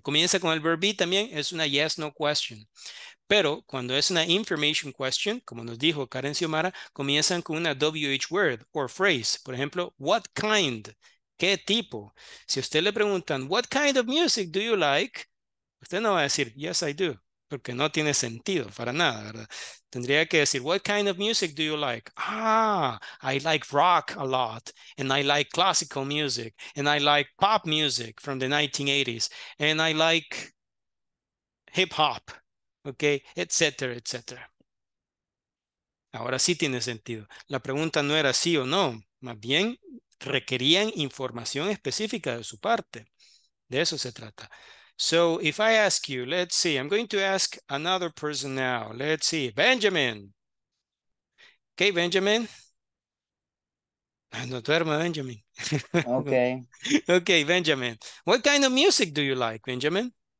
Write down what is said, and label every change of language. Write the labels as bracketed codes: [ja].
[es] Comienza con el verb be también, es una yes, no question. Pero cuando es una information question, como nos dijo Karen Xiomara, comienzan con una [en] WH word or phrase. [es] Por ejemplo, [en] what kind, [es] ¿qué tipo? Si a usted le preguntan, [en] what kind of music do you like? [es] Usted no va a decir, [en] yes, I do, [es] porque no tiene sentido para nada, ¿verdad? Tendría que decir, [en] what kind of music do you like? Ah, I like rock a lot, and I like classical music, and I like pop music from the 1980s, and I like hip-hop, okay, etc., etc. [es] Ahora sí tiene sentido. La pregunta no era sí o no, más bien requerían información específica de su parte. De eso se trata. [en] So, if I ask you, let's see, I'm going to ask another person now. Let's see, Benjamin. Okay, Benjamin. [es] No duerma, Benjamin. [en] Okay. Okay, Benjamin. What kind of music do you like, Benjamin?